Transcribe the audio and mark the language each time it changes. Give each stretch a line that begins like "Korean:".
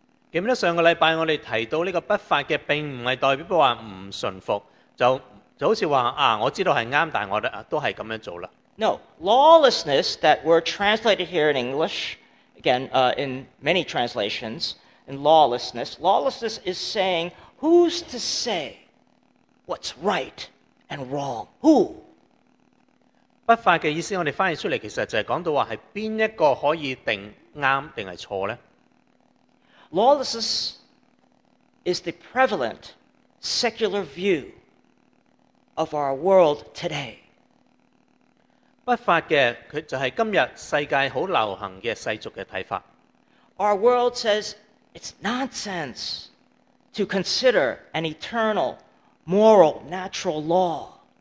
Chinese: 记得上个礼拜我们提到这个不法的并不是代表说不顺服，就好像说我知道是对，但我都是这样做了。
English: No, lawlessness that we're translated here in English again, in many translations, in lawlessness. Lawlessness is saying, who's to say what's right and wrong? Who?
Chinese: 不法的意思, 我们翻译出来, 其实就是讲到, 是哪一个可以定对还是错呢?
English: Lawlessness is the prevalent secular view of our world today.
Chinese: 不法的,它就是今天世界很流行的世俗的看法。
English: Our world says it's nonsense to consider an eternal moral natural law.